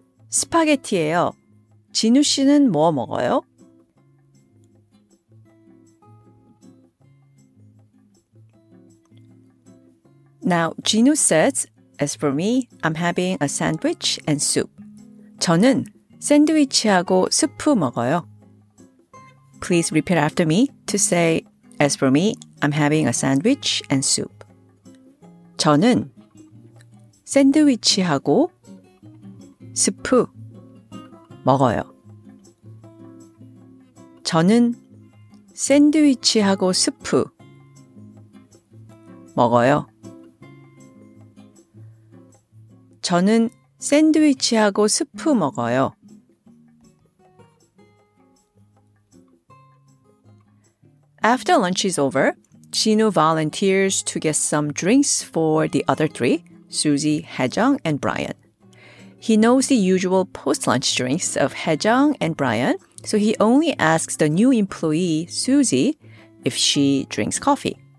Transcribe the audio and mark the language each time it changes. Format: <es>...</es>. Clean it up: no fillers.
<ko>스파게티예요. 진우 씨는 뭐 먹어요?</ko> <en>Now, Jinu says, as for me, I'm having a sandwich and soup.</en> <ko>저는 샌드위치하고 수프 먹어요.</ko> <en>Please repeat after me to say, as for me, I'm having a sandwich and soup.</en> <ko>저는 샌드위치하고 수프 먹어요. 저는 샌드위치하고 수프 먹어요. 저는 샌드위치하고 수프 먹어요.</ko> <en>After lunch is over, Jinu volunteers to get some drinks for the other three, Suzy, Haejeong, and Brian. He knows the usual post-lunch drinks of Haejeong and Brian, so he only asks the new employee, Suzy, if she drinks coffee.</en>